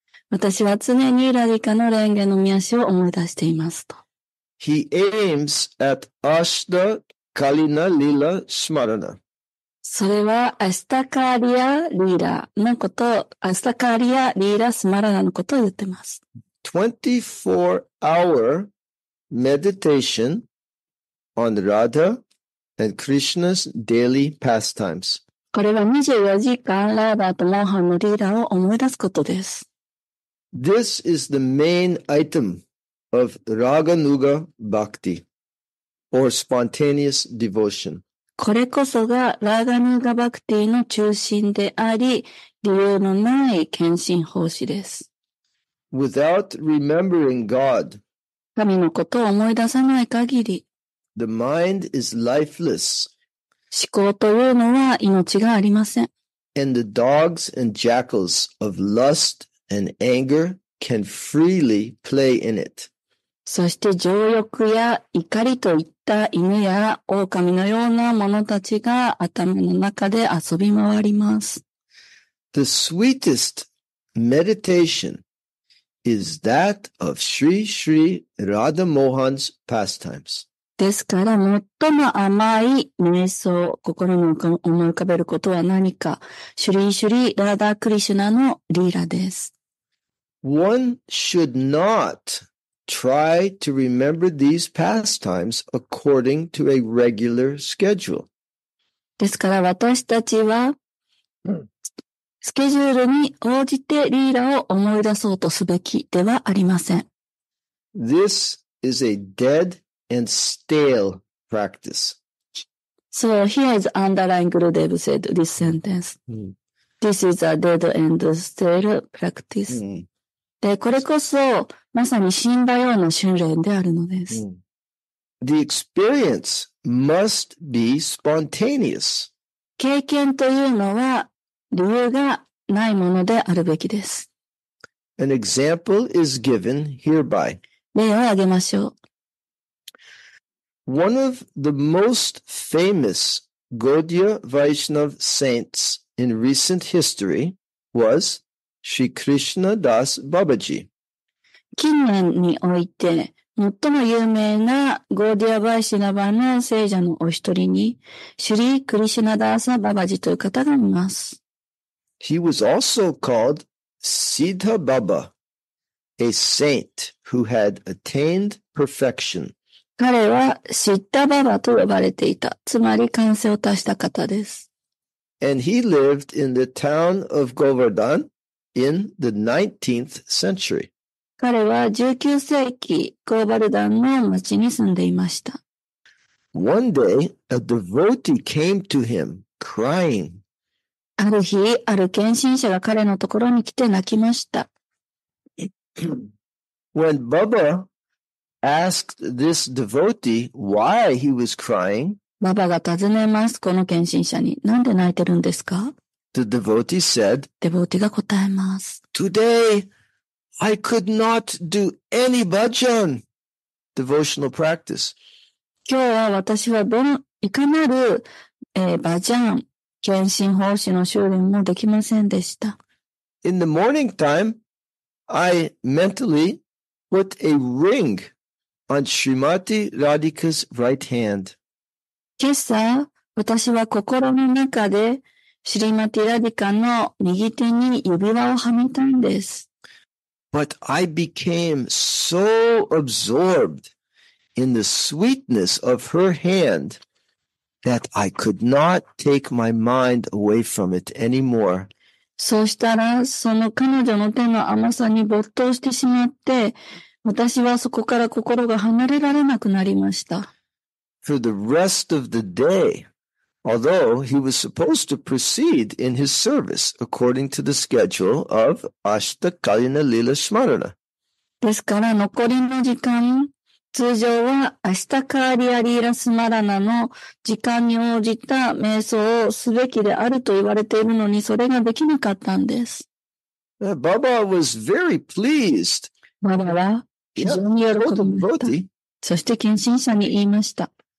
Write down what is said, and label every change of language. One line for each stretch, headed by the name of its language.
Japanese: 私は常にラディカの蓮華の御足を思い出していますと。
English: He aims at Ashta Kalina Lila Smarana.
Japanese: それはアシタカリアリーラのこと、アシタカリアリーラスマラナのことを言ってます。
English: 24-hour meditation on Radha and Krishna's daily pastimes.
Japanese: これは24時間ラーバーとモーハンのリーダーを思い出すことです。
English: This is the main item of Raganuga Bhakti or spontaneous devotion.
Japanese: これこそがラガヌガバクティの中心であり、理由のない献身奉仕です。
English: Without remembering God,
Japanese: 神のことを思い出さない限り、
English: the mind is lifeless.
Japanese: 思考というのは命がありません。
English: And the dogs and jackals of lust and anger can freely play in it.
Japanese: そして情欲や怒りといった犬や狼のような者たちが頭の中で遊び回ります。
English: The sweetest meditation is that of Sri Sri Radha Mohan's pastimes.
Japanese: ですから、最も甘い瞑想、心に思い浮かべることは何か、シュリーシュリー・ラーダ・クリシュナのリーラです。
English: One should not try to remember these pastimes according to a regular schedule.
Japanese: ですから、私たちは、スケジュールに応じてリーラを思い出そうとすべきではありません。
English: This is a dead and stale practice. So here is underlined Gurudev said this sentence.、Mm. This is a dead and stale practice.、Mm.
Japanese: で、これこそまさに死んだような修練であるのです。 Mm.
English: The experience must be spontaneous.
Japanese: 経験というのは理由がないものであるべきです。
English: An example is given hereby.
Japanese: 例を挙げましょう。
English: One of the most famous Gaudiya Vaishnav saints in recent history was Shri Krishna Das Babaji.
Japanese: 近年において最も有名な Gaudiya Vaishnava の聖者のお一人に Shri Krishna Das Babaji という方がいます。
English: He was also called Siddha Baba, a saint who had attained perfection.
Japanese: 彼はシッダババと呼ばれていた。つまり完成を達した方です。
English: And he lived in the town of Govardhan in the 19th century.
Japanese: 彼は19世紀、ゴーバルダンの町に住んでいました。
English: One day, a devotee came to him, crying.
Japanese: ある日、ある献身者が彼のところに来て泣きました。
English: When Baba,asked this devotee why he was crying.
Japanese: ババが尋ねます。この献身者に、なんで泣いてるんですか?
English: The devotee said,
Japanese: デボーティが答えます。
English: Today, I could not do any bhajan, devotional practice.
Japanese: 今日は私はいかなる、バジャン、献身奉仕の修練もできませんでした。
English: In the morning time, I mentally put a ring on Srimati Radhika's right hand.
Japanese: 今朝、私は心の中でシリマティ・ラディカの右手に指輪をはめたんです。
English: But I became so absorbed in the sweetness of her hand that I could not take my mind away from it anymore.
Japanese: そうしたら、その彼女の手の甘さに没頭してしまって、私はそこから心が離れられなくなりました。
English: For the rest of the day, although he was supposed to proceed in his service according to the schedule of Ashtakalina Lila Smarana.
Japanese: ですから、残りの時間、通常はアシタカーリアリーラスマラナの時間に応じた瞑想をすべきであると言われているのにそれができなかったんです。
English: ババは was very pleased.
Japanese: ババは非常に喜びました。そして献身者に言いました。